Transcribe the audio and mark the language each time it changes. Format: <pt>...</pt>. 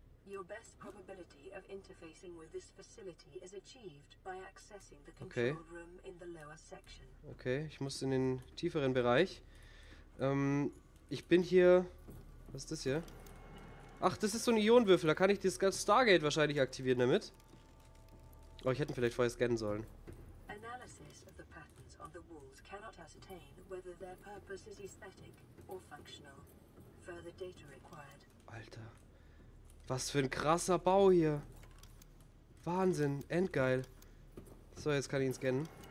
<en>Your best probability of interfacing with this facility is achieved by accessing the control room in the lower section.</en> <de>Okay, ich muss in den tieferen Bereich. Ich bin hier. Was ist das hier? Ach, das ist so ein Ionenwürfel. Da kann ich das Stargate wahrscheinlich aktivieren damit. Oh, ich hätte ihn vielleicht vorher scannen sollen.</de> <en>Analysis of the patterns on the walls cannot ascertain whether their purpose is aesthetic or functional. Further data required.</en> <de>Alter. Was für ein krasser Bau hier. Wahnsinn. Endgeil. So, jetzt kann ich ihn scannen.</de>